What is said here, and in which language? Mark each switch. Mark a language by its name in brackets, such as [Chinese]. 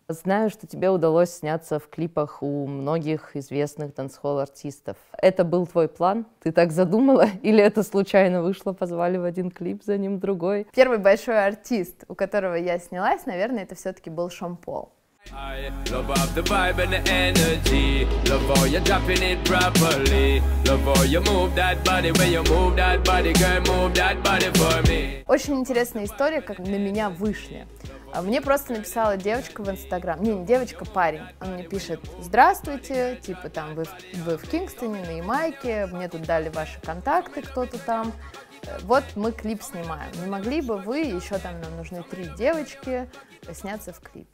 [Russian] Знаю, что тебе удалось сняться в клипах у многих известных дансхолл-артистов. Это был твой план? Ты так задумала? Или это случайно вышло, позвали в один клип, за ним другой? Первый большой артист, у которого я снялась, наверное, это все-таки был Шон Пол. [English] I love all the vibe and the energy. Love all you're dropping it properly. Love all you move that body. When you move that body, girl, move that body for me. [Russian] Очень интересная история, как на меня вышли. Мне просто написала девочка в Инстаграм. Не, девочка, парень. Он мне пишет, здравствуйте, типа там вы в Кингстоне, на Ямайке. Мне тут дали ваши контакты, кто-то там. Вот мы клип снимаем. Не могли бы вы, еще там нам нужны 3 девочки, сняться в клипе.